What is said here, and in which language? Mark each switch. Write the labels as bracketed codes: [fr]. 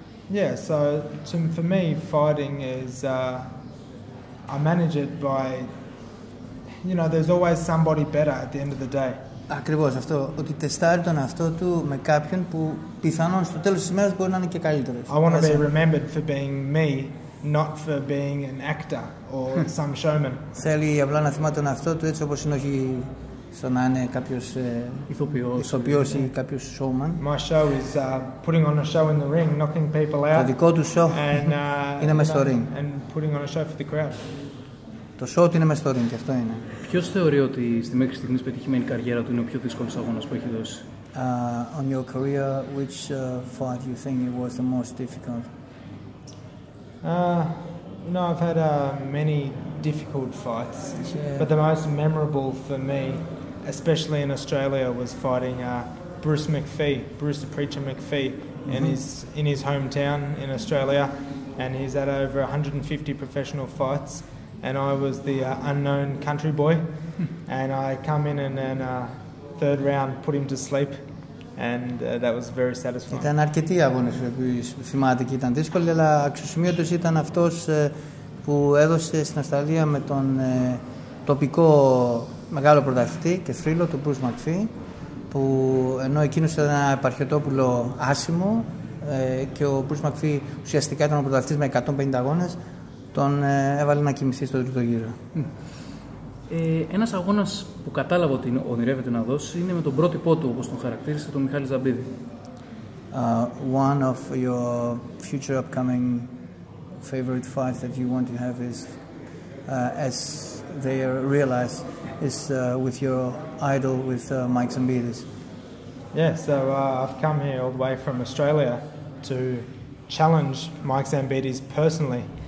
[en] yeah, so for me fighting is I manage it by, you know, there's always somebody better at the end of the day. [el] Ακριβώς αυτό, ότι τεστάρει τον εαυτό του με κάποιον που πιθανόν στο τέλος της ημέρας μπορεί να είναι και καλύτερος. [en] I want to be remembered for being me, not for being an actor or some showman. [el] Θέλει απλά να θυμάται τον εαυτό του έτσι όπως είναι, όχι στο να είναι κάποιος ηθοποιός ή κάποιος showman. [en] My show is putting on a show in the ring, knocking people out. [el] Το δικό του show είναι μέσα στο ring. [en] And putting on a show for the crowd. [el] Το σώμα είναι μέσα στο ring, αυτό είναι. Ποιος θεωρεί ότι στη μέχρι στιγμής πετυχημένη καριέρα του είναι ο πιο δύσκολος αγώνας που έχει δώσει? [en] On your career, which fight you think it was the most difficult? You know, I've had many difficult fights, yeah. But the most memorable for me, especially in Australia, was fighting Bruce McPhee, Bruce the Preacher McPhee, mm-hmm. in his hometown in Australia, and he's had over 150 professional fights. And I was the unknown country boy, and I come in and then third round put him to sleep, and that was very satisfying. [el] Ήταν αρκετοί αγώνες που θυμάται και ήταν δύσκολοι, αλλά αξιοσημείωτος ήταν αυτός που έδωσε στην Αυστραλία με τον τοπικό μεγάλο πρωταθλητή και θρύλο του Bruce McPhee, που ενώ εκείνος ήταν ένα επαρχιωτόπουλο άσημο, και ο Bruce McPhee ουσιαστικά ήταν ο πρωταθλητής με 150 αγώνες, τον έβαλε να κοιμηθεί στο τρίτο γύρο. Ένας αγώνας που κατάλαβα ότι ονειρεύεται να δώσει είναι με τον πρότυπό του, όπως τον χαρακτήρισε, τον Μιχάλη Ζαμπίδη. [en] One of your future upcoming favorite fights that you want to have is, as they realize, is with your idol, with Mike Zambidis. Yeah, so I've come here all the way from Australia to challenge Mike Zambidis personally.